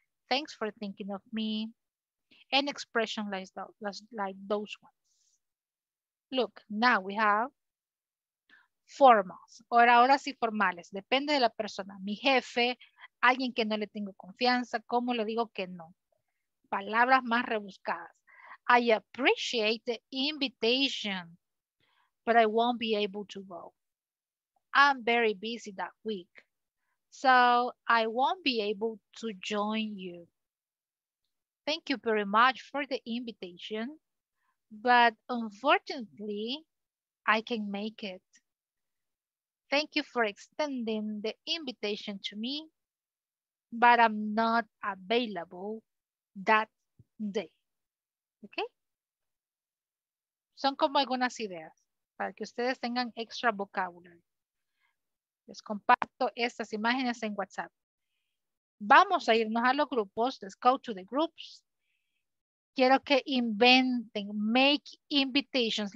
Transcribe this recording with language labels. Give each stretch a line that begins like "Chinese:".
English: Thanks for thinking of me. An expression like those ones. Look, now we have formals.
Spanish: Ahora sí formales. Depende de la persona. Mi jefe, alguien que no le tengo confianza, ¿cómo le digo que no? Palabras más rebuscadas.
English: I appreciate the invitation, but I won't be able to go. I'm very busy that week, so I won't be able to join you. Thank you very much for the invitation, but unfortunately, I can't make it. Thank you for extending the invitation to me, but I'm not available that day.
Spanish: ¿Ok? Son como algunas ideas para que ustedes tengan extra vocabulario. Les comparto estas imágenes en WhatsApp. Vamos a irnos a los grupos.
English: Let's go to the groups.
Spanish: Quiero que inventen,
English: make invitations.